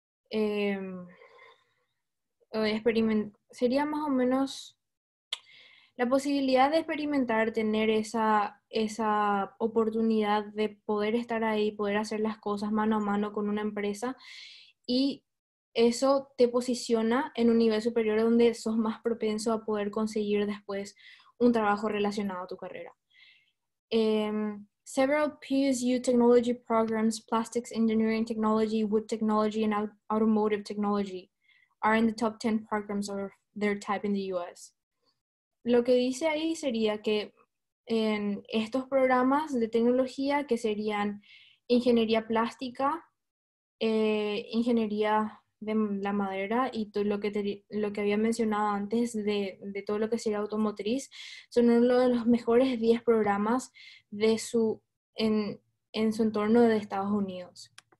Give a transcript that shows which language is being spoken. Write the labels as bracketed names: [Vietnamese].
[Spanish] sería más o menos la posibilidad de experimentar, tener esa oportunidad de poder estar ahí, poder hacer las cosas mano a mano con una empresa, y eso te posiciona en un nivel superior donde sos más propenso a poder conseguir después un trabajo relacionado a tu carrera. [English] Several PSU technology programs, plastics engineering technology, wood technology, and automotive technology are in the top 10 programs of their type in the US. [Spanish] Lo que dice ahí sería que en estos programas de tecnología, que serían ingeniería plástica, ingeniería de la madera y todo lo que había mencionado antes de todo lo que sería automotriz, son uno de los mejores 10 programas de su en su entorno de Estados Unidos.